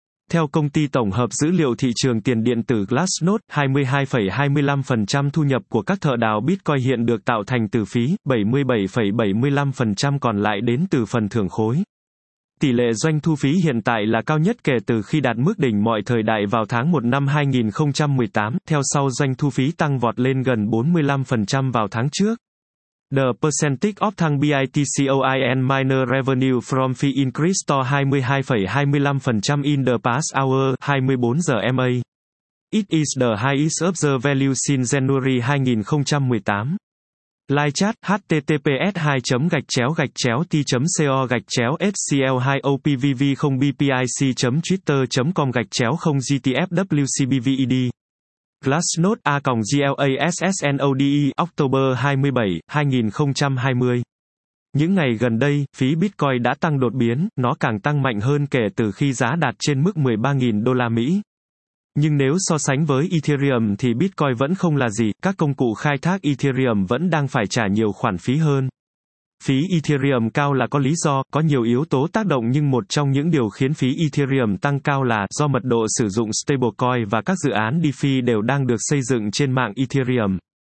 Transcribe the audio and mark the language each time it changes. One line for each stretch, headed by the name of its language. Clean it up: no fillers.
Vietnamese: Theo công ty tổng hợp dữ liệu thị trường tiền điện tử Glassnode, 22,25% thu nhập của các thợ đào Bitcoin hiện được tạo thành từ phí, 77,75% còn lại đến từ phần thưởng khối. Tỷ lệ doanh thu phí hiện tại là cao nhất kể từ khi đạt mức đỉnh mọi thời đại vào tháng 1 năm 2018, theo sau doanh thu phí tăng vọt lên gần 45% vào tháng trước.
English: The percentage of thang Bitcoin miner revenue from fee increased to 22,25% in the past hour, 24 giờ MA. It is the highest observed value since January 2018. Live chat, https://t.co/scl-opvv0bpic.twitter.com/0gtfwcbvid. Glassnode A.GLASSNODE, October 27, 2020.
Vietnamese: Những ngày gần đây, phí Bitcoin đã tăng đột biến, nó càng tăng mạnh hơn kể từ khi giá đạt trên mức 13.000 đô la Mỹ. Nhưng nếu so sánh với Ethereum thì Bitcoin vẫn không là gì, các công cụ khai thác Ethereum vẫn đang phải trả nhiều khoản phí hơn. Phí Ethereum cao là có lý do, có nhiều yếu tố tác động, nhưng một trong những điều khiến phí Ethereum tăng cao là do mật độ sử dụng stablecoin và các dự án DeFi đều đang được xây dựng trên mạng Ethereum.